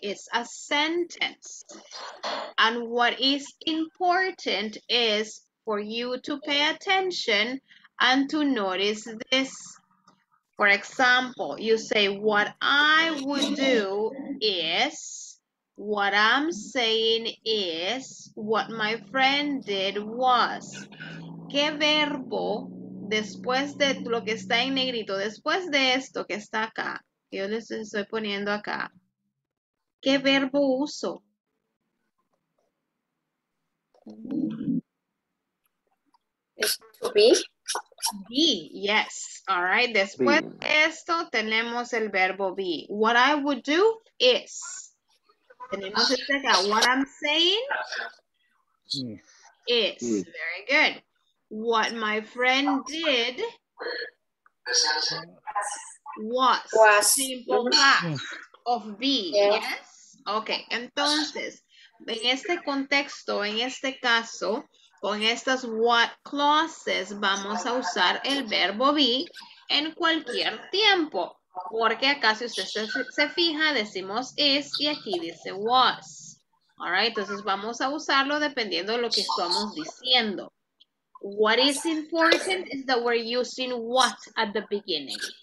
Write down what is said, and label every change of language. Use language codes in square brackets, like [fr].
[en] It's a sentence. And what is important is for you to pay attention and to notice this. For example, you say, what I would do is... What I'm saying is, what my friend did was. [es] ¿Qué verbo después de lo que está en negrito, después de esto que está acá, que yo les estoy poniendo acá? ¿Qué verbo uso? [en] To be. Be, yes. All right. [es] Después be. De esto tenemos el verbo be. [en] What I would do is. [es] Tenemos este acá. [en] What I'm saying is, very good. What my friend did was simple past of be, yes? [es] Okay, entonces, en este contexto, en este caso, con estas what clauses vamos a usar el verbo be en cualquier tiempo. Porque acá si usted se fija, decimos is y aquí dice was. [en] All right, [es] entonces vamos a usarlo dependiendo de lo que estamos diciendo. [en] What is important is that we're using what at the beginning.